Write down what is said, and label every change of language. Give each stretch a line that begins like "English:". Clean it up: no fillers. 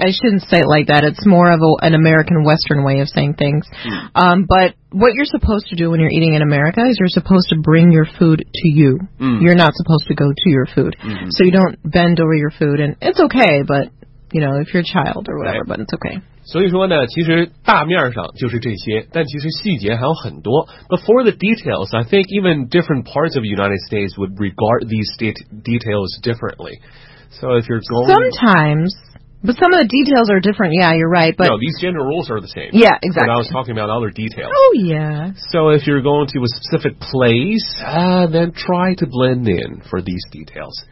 English: I shouldn't say it like that. It's more of an American Western way of saying things. Mm. But what you're supposed to do when you're eating in America is you're supposed to bring your food to you. Mm. You're not supposed to go to your food. Mm-hmm. So you don't bend over your food. And it's okay, but, you know, if you're a child or whatever, But it's okay.
Chinese: 所以说呢, 其实大面上就是这些, 但其实细节还有很多。
English: But for the details, I think even different parts of the United States would regard these details differently. So if you're going... Sometimes, but some of the details are different. Yeah, you're right, but... No, these general rules are the same. Yeah, exactly. But I was talking about other details. Oh, yeah. So if you're going to a specific place, then try to blend in for these details.